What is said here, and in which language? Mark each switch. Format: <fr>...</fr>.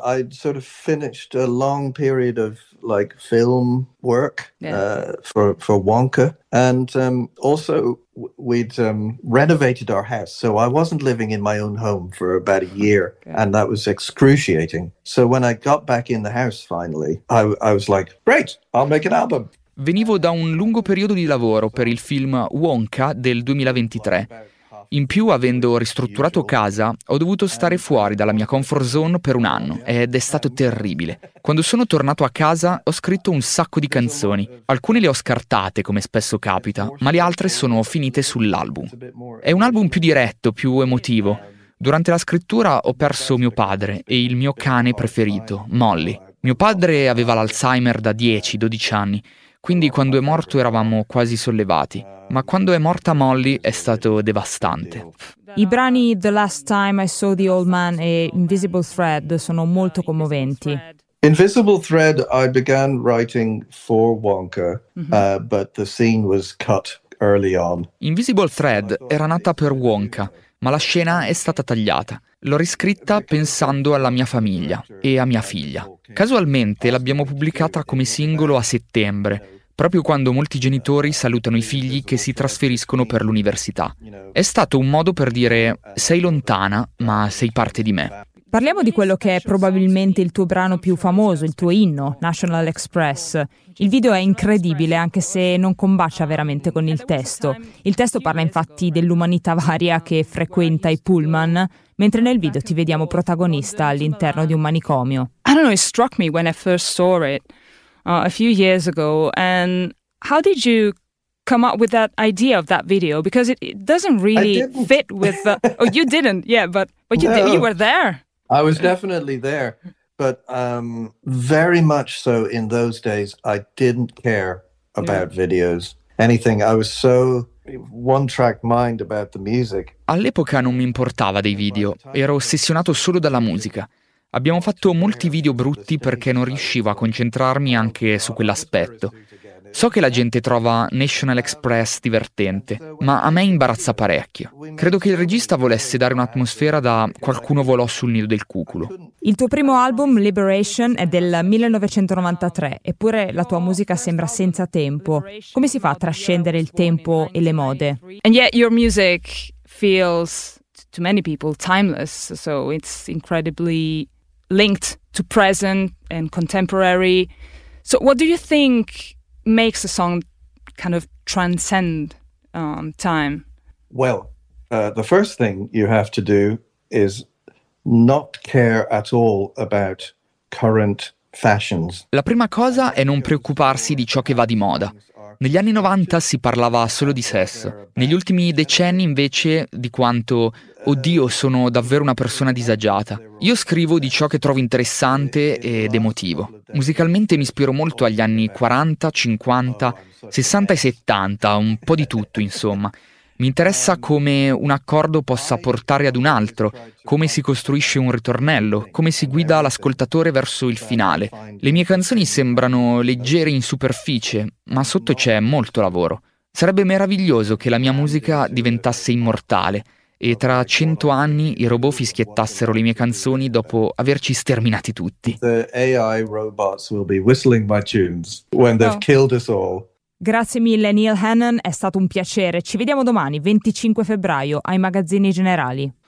<en>I'd sort of finished a long period of like film work for Wonka, and also we'd renovated our house, so I wasn't living in my own home for about a year, and that was excruciating. So when I got back in the house finally, I was like, great, I'll make an album.</en> <it>Venivo da un lungo periodo di lavoro per il film Wonka del 2023. In più, avendo ristrutturato casa, ho dovuto stare fuori dalla mia comfort zone per un anno ed è stato terribile. Quando sono tornato a casa, ho scritto un sacco di canzoni. Alcune le ho scartate, come spesso capita, ma le altre sono finite sull'album. È un album più diretto, più emotivo. Durante la scrittura ho perso mio padre e il mio cane preferito, Molly. Mio padre aveva l'Alzheimer da 10-12 anni, quindi quando è morto eravamo quasi sollevati. Ma quando è morta Molly è stato devastante. I brani The Last Time I Saw the Old Man e Invisible Thread sono molto commoventi.</it> <en>Invisible Thread I began writing for Wonka, but the scene was cut early on.</en> <it>Invisible Thread era nata per Wonka, ma la scena è stata tagliata. L'ho riscritta pensando alla mia famiglia e a mia figlia. Casualmente l'abbiamo pubblicata come singolo a settembre, proprio quando molti genitori salutano i figli che si trasferiscono per l'università. È stato un modo per dire sei lontana, ma sei parte di me. Parliamo di quello che è probabilmente il tuo brano più famoso, il tuo inno, National Express. Il video è incredibile, anche se non combacia veramente con il testo. Il testo parla infatti dell'umanità varia che frequenta i pullman, mentre nel video ti vediamo protagonista all'interno di un manicomio.</it> <en>I don't know, it struck me when I first saw it. A few years ago, and how did you come up with that idea of that video? Because it doesn't really fit with the... Oh, you didn't, yeah, but you, no. You were there. I was definitely there, but very much so in those days, I didn't care about videos, anything. I was so one-track mind about the music.</en> <it>All'epoca non mi importava dei video, ero ossessionato solo dalla musica. Abbiamo fatto molti video brutti perché non riuscivo a concentrarmi anche su quell'aspetto. So che la gente trova National Express divertente, ma a me imbarazza parecchio. Credo che il regista volesse dare un'atmosfera da qualcuno volò sul nido del cuculo. Il tuo primo album, Liberation, è del 1993, eppure la tua musica sembra senza tempo. Come si fa a trascendere il tempo e le mode?</it> <en>And yet your music feels... to many people, timeless. So it's incredibly linked to present and contemporary. So what do you think makes a song kind of transcend time? Well, the first thing you have to do is not care at all about current fashions.</en> <it>La prima cosa è non preoccuparsi di ciò che va di moda. Negli anni 90 si parlava solo di sesso. Negli ultimi decenni, invece, di quanto... Oddio, sono davvero una persona disagiata. Io scrivo di ciò che trovo interessante ed emotivo. Musicalmente mi ispiro molto agli anni 40, 50, 60 e 70, un po' di tutto, insomma. Mi interessa come un accordo possa portare ad un altro, come si costruisce un ritornello, come si guida l'ascoltatore verso il finale. Le mie canzoni sembrano leggere in superficie, ma sotto c'è molto lavoro. Sarebbe meraviglioso che la mia musica diventasse immortale, e tra 100 anni i robot fischiettassero le mie canzoni dopo averci sterminati tutti.</it> <en>The AI robots will be whistling my tunes when they've killed us all.</en> <it>Grazie mille, Neil Hannon, è stato un piacere. Ci vediamo domani, 25 febbraio, ai Magazzini Generali.</it>